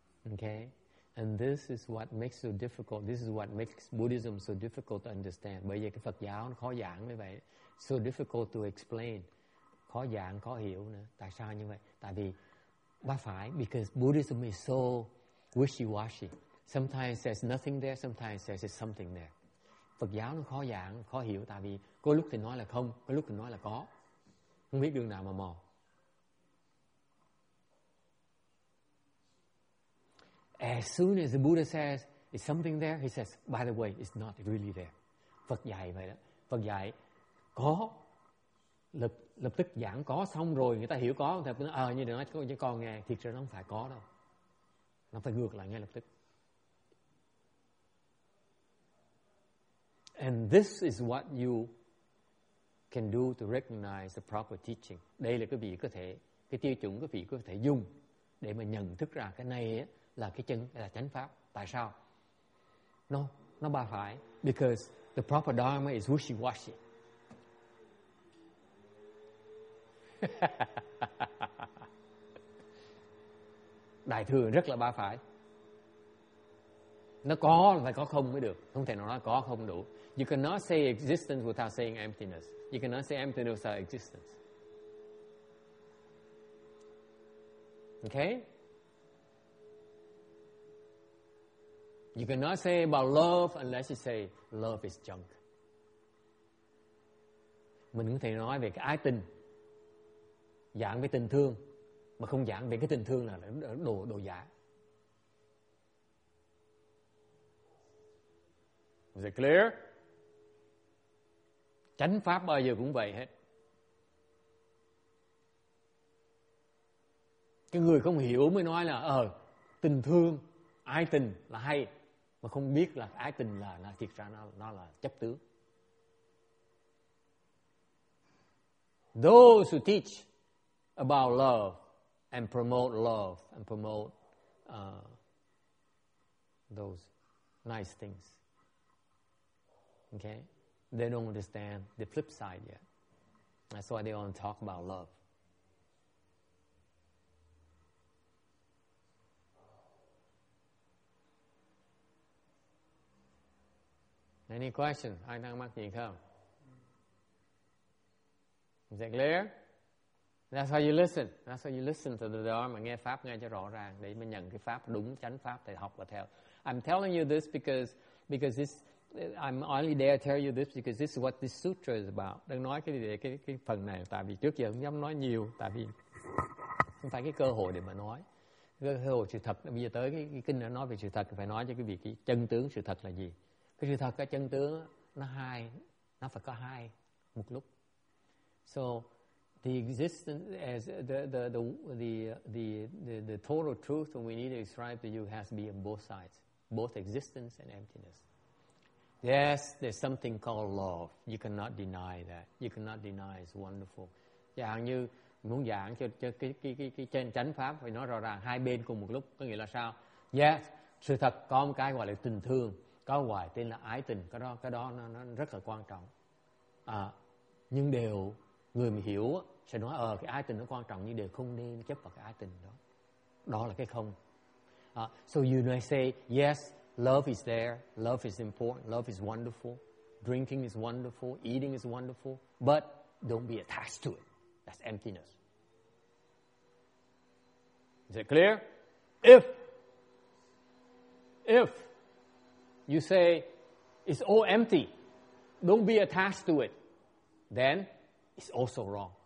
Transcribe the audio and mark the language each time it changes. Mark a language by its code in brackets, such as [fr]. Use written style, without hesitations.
[en] Okay? And this is what makes so difficult. This is what makes Buddhism so difficult to understand. [vi] Bởi vì cái Phật giáo nó khó giảng như vậy. [en] So difficult to explain. [vi] Khó giảng, khó hiểu nữa. Tại sao như vậy? Tại vì ba phải. [en] Because Buddhism is so wishy-washy. Sometimes there's nothing there. Sometimes there's something there. [vi] Phật giáo nó khó giảng, khó hiểu. Tại vì có lúc thì nói là không, có lúc thì nói là có. Không biết đường nào mà mò. [en] As soon as the Buddha says, it's something there, he says, by the way, it's not really there. [vi] Phật dạy vậy đó. Phật dạy có. Lập tức giảng có xong rồi, người ta hiểu có. Thì nó, như để nói cho con nghe, thiệt ra nó không phải có đâu. Nó phải ngược lại ngay lập tức. [en] And this is what you can do to recognize the proper teaching. [vi] Đây là cái vị có thể, cái tiêu chuẩn cái vị có thể dùng để mà nhận thức ra cái này á. Là cái chân là chánh pháp. Tại sao? Nó ba phải. [en] Because the proper dharma is wishy-washy. [vi] Đại thừa rất là ba phải. Nó có là phải có không mới được. Không thể nào nói có không đủ. [en] You cannot say existence without saying emptiness. You cannot say emptiness without existence. Okay? You cannot say about love unless you say love is junk. [vi] Mình có thể nói về cái ái tình, giảng về tình thương, mà không giảng về cái tình thương là đồ giả. [en] Is it clear? [vi] Chánh pháp bao giờ cũng vậy hết. Cái người không hiểu mới nói là tình thương, ái tình là hay. Mà không biết là ái tình là nó thiệt ra nó là chấp tướng. [en] Those who teach about love and promote love and promote those nice things, okay, they don't understand the flip side yet. That's why they don't talk about love. Any question? [vi] Ai đang mắc gì không? [en] Is that clear? That's how you listen. That's how you listen to the Dharma. [vi] Nghe Pháp nghe cho rõ ràng. Để mình nhận cái Pháp đúng, chánh Pháp để học và theo. [en] I'm telling you this because this, I'm only there to tell you this because this is what this sutra is about. [vi] Đừng nói cái phần này. Tại vì trước giờ không dám nói nhiều. Tại vì không phải cái cơ hội để mà nói. Cơ hội sự thật. Bây giờ tới cái kinh đã nói về sự thật. Phải nói cho cái việc cái chân tướng sự thật là gì. Cái sự thật, cái chân tướng nó phải có hai một lúc. [en] So the existence as the total truth that we need to describe to you has to be on both sides, both existence and emptiness. Yes, there's something called love. You cannot deny that. You cannot deny it's wonderful. [vi] Giảng như muốn giảng cho cái trên chánh pháp phải nói rõ ràng hai bên cùng một lúc, có nghĩa là sao? Yes, sự thật có một cái gọi là tình thương. Có hoài tên là ái tình, cái đó nó rất là quan trọng. Nhưng đều người mà hiểu sẽ nói cái ái tình nó quan trọng, nhưng đều không nên chấp vào cái ái tình đó. Đó là cái không. [en] So you may say, yes, love is there, love is important, love is wonderful, drinking is wonderful, eating is wonderful, but don't be attached to it. That's emptiness. Is it clear? If you say it's all empty, don't be attached to it, then it's also wrong.